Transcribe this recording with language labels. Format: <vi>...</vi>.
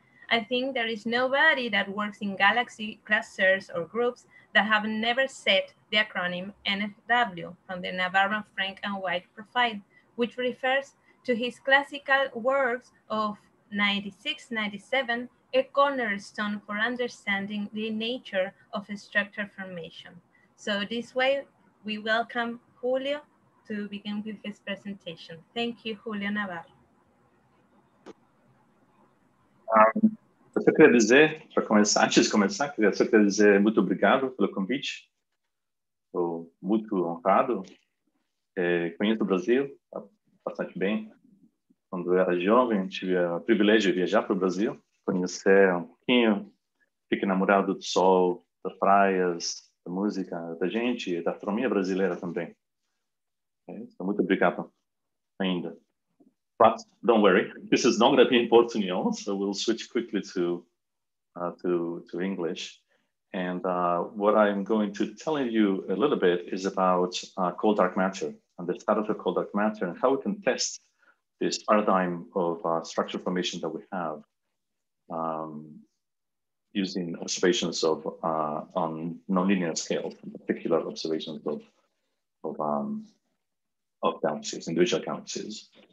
<en>I think there is nobody that works in galaxy clusters or groups that have never said the acronym NFW from the Navarro, Frank and White profile, which refers to his classical works of 96-97, a cornerstone for understanding the nature of a structure formation. So this way, we welcome Julio to begin with his presentation. Thank you, Julio Navarro.</en> <pt>Eu só queria dizer, para começar, antes de começar, queria só queria dizer muito obrigado pelo convite. Estou muito honrado. É, conheço o Brasil bastante bem. Quando eu era jovem, tive o privilégio de viajar para o Brasil, conhecer um pouquinho, fiquei enamorado do sol, das praias, da música, da gente, da astronomia brasileira também. É, então, muito obrigado ainda.</pt> <en>But don't worry, this is not going to be in Portuguese, so we'll switch quickly to English. And what I'm going to tell you a little bit is about cold dark matter and the status of cold dark matter and how we can test this paradigm of structure formation that we have using observations of on nonlinear scale, particular observations of galaxies, individual galaxies.</en>